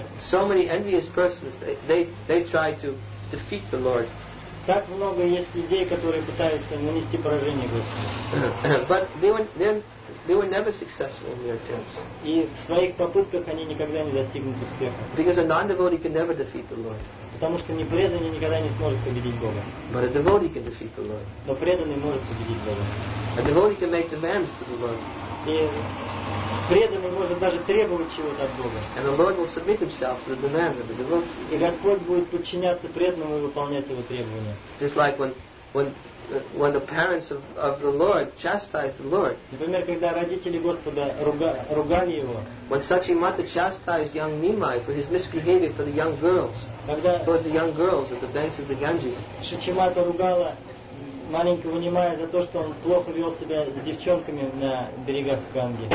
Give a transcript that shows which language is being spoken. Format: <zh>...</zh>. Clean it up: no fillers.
<en>So many envious persons, they try to defeat the Lord.</en> <ru>Так много есть людей, которые пытаются нанести поражение Господу.</ru> <en>But they were never successful in their attempts.</en> <ru>И в своих попытках они никогда не достигнут успеха.</ru> <en>Because a non-devotee can never defeat the Lord.</en> <ru>Потому что непреданный никогда не сможет победить Бога.</ru> <en>But a devotee can defeat the Lord.</en> <ru>Но преданный может победить Бога.</ru> <en>A devotee can make demands to the Lord.</en> <ru>Преданный может даже требовать чего-то от Бога.</ru> <en>And the Lord will submit himself to the demands of the devotee.</en> <ru>И Господь будет подчиняться преданному и выполнять его требования.</ru> <en>Just like when the parents of the Lord chastised the Lord.</en> <ru>Например, когда родители Господа ругали его.</ru> <en>When Sakshimata chastised young Nimai for his misbehavior for the young girls.</en> <ru>Когда</ru> <en>towards the young girls at the banks of the Ganges.</en> <ru>Сакшимата ругала маленького Нимая за то, что он плохо вел себя с девчонками на берегах Ганги.</ru>